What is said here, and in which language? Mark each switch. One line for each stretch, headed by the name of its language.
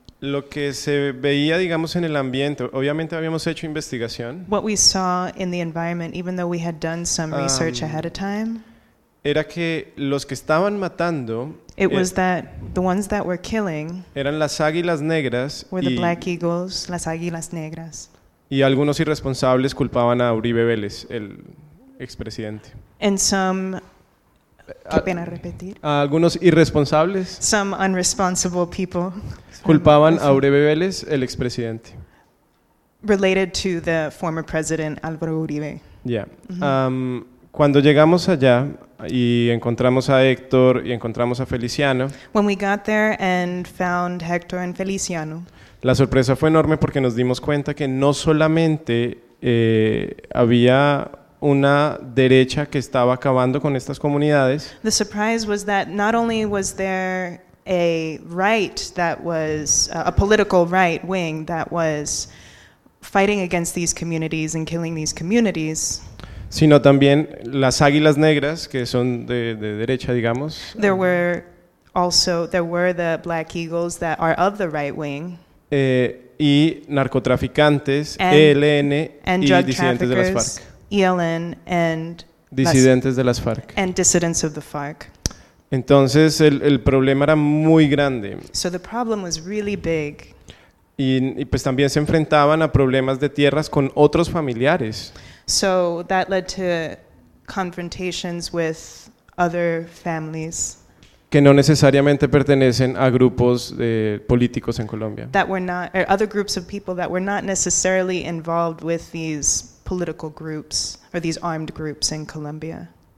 Spanish: lo que se veía, digamos, en el ambiente, obviamente habíamos hecho investigación.
English: What we saw in the environment, even though we had done some research ahead of time,
Spanish: era que los que estaban matando,
English: it was that the ones that were killing,
Spanish: eran las águilas negras,
English: were the black eagles,
Spanish: las águilas negras. Y algunos irresponsables culpaban a Uribe Vélez, el expresidente.
English: And some
Spanish: Qué pena repetir. A algunos irresponsables.
English: Some unresponsible people.
Spanish: Culpaban a Uribe Vélez, el expresidente.
English: Related to the former president Álvaro Uribe. Yeah.
Spanish: Cuando llegamos allá y encontramos a Héctor y encontramos a Feliciano.
English: When we got there and found Héctor and Feliciano.
Spanish: La sorpresa fue enorme porque nos dimos cuenta que no solamente había una derecha que estaba acabando con estas comunidades.
English: The surprise was that not only was there a right that was a political right wing that was fighting against these communities and killing these communities,
Spanish: sino también las Águilas Negras, que son de derecha, digamos.
English: There were also the Black Eagles that are of the right wing.
Spanish: Y narcoficantes, ELN
English: and
Spanish: y
English: drug
Spanish: disidentes de las FARC.
English: ELN and
Spanish: disidentes de las FARC.
English: And dissidents of the FARC.
Spanish: Entonces el problema era muy grande.
English: So the problem was really big.
Spanish: Y pues también se enfrentaban a problemas de tierras con otros familiares.
English: So that led to confrontations with other families
Spanish: que no necesariamente pertenecen a grupos políticos en Colombia.
English: That were not, or other groups of people that were not necessarily involved with these political groups or these armed groups in Colombia.